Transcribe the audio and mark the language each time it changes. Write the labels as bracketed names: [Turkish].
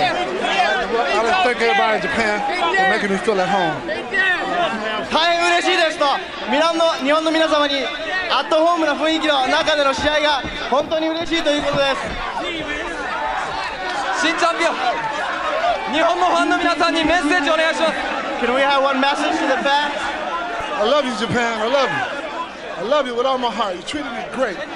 [English] I was thinking about Japan and making me feel at home. [Japanese] 大変嬉しいですと、日本の皆様にアットホームな雰囲気の中での試合が本当に嬉しいということです。新チャンピオン、日本のファンの皆さんにメッセージをお願いします。 [English] Can we have one message to the fans? I love you, Japan. I love you. I love you with all my heart. You treated me great.